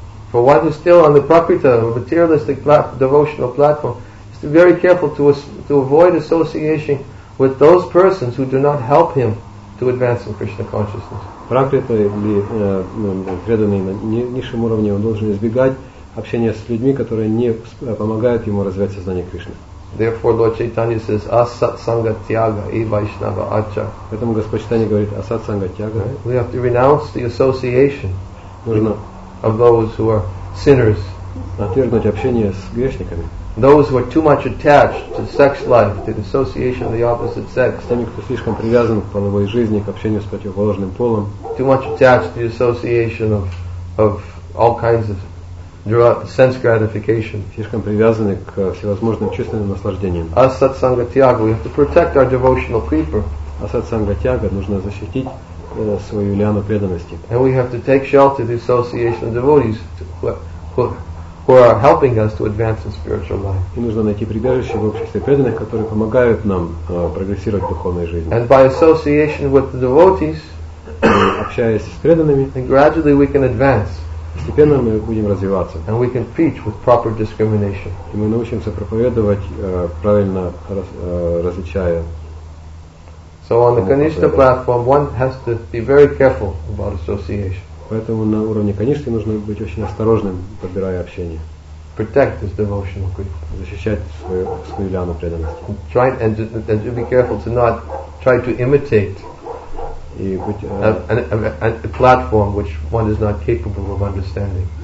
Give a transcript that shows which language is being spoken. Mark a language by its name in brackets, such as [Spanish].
[English] For one who is still on the prakrita, materialistic devotional platform, is to be very careful to avoid association with those persons who do not help him to advance in Krishna consciousness. [Russian] Пракрита или преданный на низшем уровне, он должен избегать общения с людьми, которые не помогают ему развивать сознание Кришны. [English] Therefore, Lord Chaitanya says, [Sanskrit] Асат Санга Тьяга и Вайшнава Ача. [Russian] Поэтому Господь Чайтанья говорит, Асат Санга Тьяга. [English] We have to renounce the association of those who are sinners. [Russian] Отвергнуть общение с грешниками. [English] Those who are too much attached to sex life, to the association of the opposite sex. [Russian] Теми, кто слишком привязан к половой жизни, к общению с противоположным полом. [English] Too much attached to the association of all kinds of sense gratification. [Russian] Слишком привязаны к всевозможным чувственным наслаждениям. [Sanskrit] Асат санга тьяга. [English] We have to protect our devotional creeper. [Sanskrit] Асат санга тьяга. [Russian] Нужно защитить свою лиану преданности. [English] And we have to take shelter the association of devotees who are helping us to advance in spiritual life. [Russian] И нужно найти прибежище в обществе преданных, которые помогают нам прогрессировать в духовной жизни. [English] And by association with the devotees, [Russian] общаясь с преданными, [English] and gradually we can advance. [Russian] Постепенно мы будем развиваться. [English] And we can preach with proper discrimination. [Russian] И мы научимся проповедовать правильно, различая. [English] So on the Kanishta platform, one has to be very careful about association. [Russian] Поэтому на уровне конечности нужно быть очень осторожным, подбирая общение. [English] protect his devotional grip, [Russian] защищать свою лану преданности. [English] Try and to be careful to not try to imitate a platform which one is not capable of understanding.